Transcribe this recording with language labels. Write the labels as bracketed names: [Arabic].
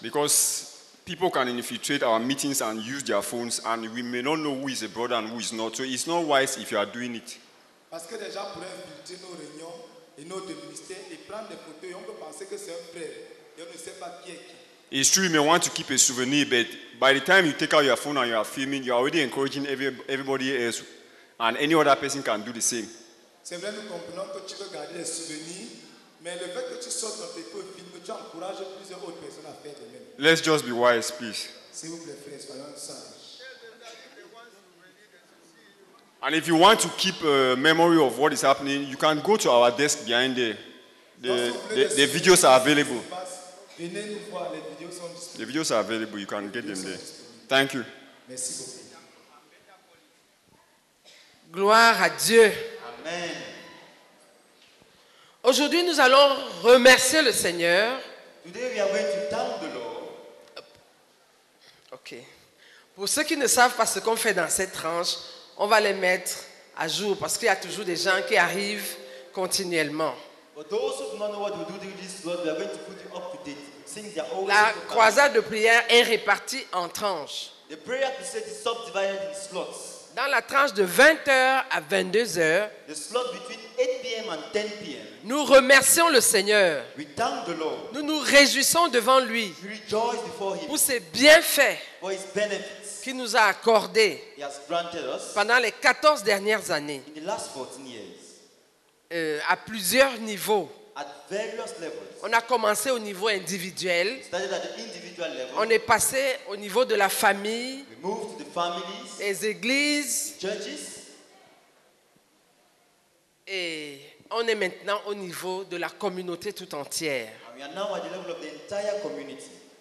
[English] Because people can infiltrate our meetings and use their phones, and we may not know who is a brother and who is not. So it's not wise if you are doing it. [French] Parce que les gens pourraient infiltrer nos réunions et notre ministère et prendre des photos et on peut penser que c'est un frère. Et on ne sait pas qui est qui. [English] It's true, you may want to keep a souvenir, but by the time you take out your phone and you are filming, you are already encouraging everybody else, and any other person can do the same. [French] C'est vrai, nous comprenons que tu veux garder les souvenirs, mais le fait que tu sortes ton photo et filmes, tu encourages plusieurs autres personnes à faire de même. [English] Let's just be wise, please. [French] S'il vous plaît, frère, soyons sages. [English] And if you want to keep a memory of what is happening, you can go to our desk behind there. The videos are available. The videos are available. You can get them there. Thank you. [French] Gloire à Dieu. Amen. Aujourd'hui, nous allons remercier le Seigneur. [English] Today we are going to thank the Lord. Ok. [French] Pour ceux qui ne savent pas ce qu'on fait dans cette tranche, on va les mettre à jour parce qu'il y a toujours des gens qui arrivent continuellement. [English] For those who do not know what we do during this world, we are going to put it up to date. [French] La croisade de prière est répartie en tranches. [English] The prayer crusade is subdivided in slots. [French] Dans la tranche de 20h à 22h, [English] the slot between 8 p.m. and 10 p.m. [French] nous remercions le Seigneur. [English] We thank the Lord. [French] Nous nous réjouissons devant lui. [English] We rejoice before him. [French] Pour ses bienfaits. [English] For his benefits. [French] Qu'il nous a accordés. [English] He has granted us. [French] Pendant les 14 dernières années. [English] In the last 14 years. [French] À plusieurs niveaux. [English] At various levels. [French] On a commencé au niveau individuel. [English] Started at the individual level. [French] On est passé au niveau de la famille. [English] We moved to the families, [French] les églises. [English] The churches. [French] Et on est maintenant au niveau de la communauté tout entière. [English] And we are now at the level of the entire community.